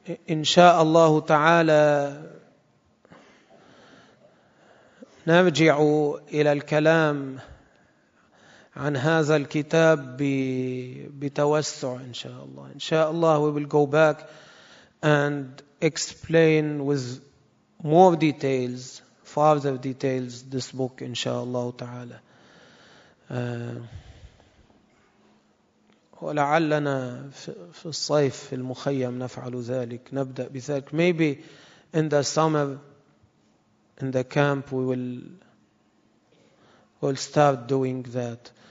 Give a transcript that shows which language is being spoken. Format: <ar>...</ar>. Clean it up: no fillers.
<ar>إن شاء الله تعالى نرجع إلى الكلام عن هذا الكتاب بتوسع إن شاء الله. إن شاء الله</ar> <en>we will go back and explain with more details, farther details, this book</en> <ar>إن شاء الله تعالى. ولعلنا في الصيف في المخيم نفعل ذلك نبدأ بذلك.</ar> <en>Maybe in the summer in the camp we will start doing that.</en>